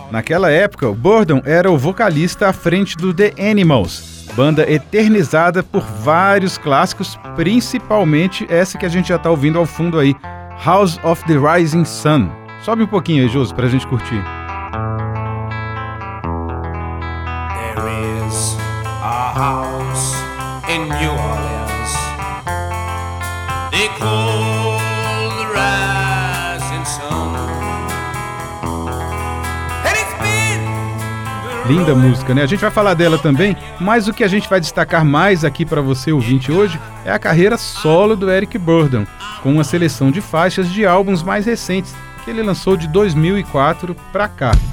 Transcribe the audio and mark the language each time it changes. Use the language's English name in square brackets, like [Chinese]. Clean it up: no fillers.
[Portuguese] Naquela época, Burdon era o vocalista à frente do The Animals, banda eternizada por vários clássicos, principalmente essa que a gente já está ouvindo ao fundo aí, House of the Rising Sun. Sobe um pouquinho aí, Josi, pra gente curtir. [English] There is a house in New Orleans. They call the Rising Sun. And it's been... [Portuguese] Linda música, né? A gente vai falar dela também, mas o que a gente vai destacar mais aqui pra você, ouvinte, hoje é a carreira solo do Eric Burdon, com uma seleção de faixas de álbuns mais recentes, que ele lançou de 2004 para cá.